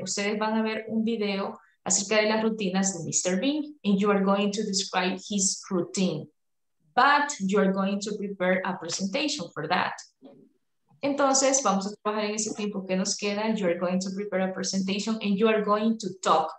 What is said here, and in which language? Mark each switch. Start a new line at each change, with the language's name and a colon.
Spanish: Ustedes van a ver un video acerca de las rutinas de Mr.
English: Bean, and you are going to describe his routine, but you are going to prepare a presentation for that.
Spanish: Entonces, vamos a trabajar en ese tiempo que nos queda.
English: You are going to prepare a presentation, and you are going to talk.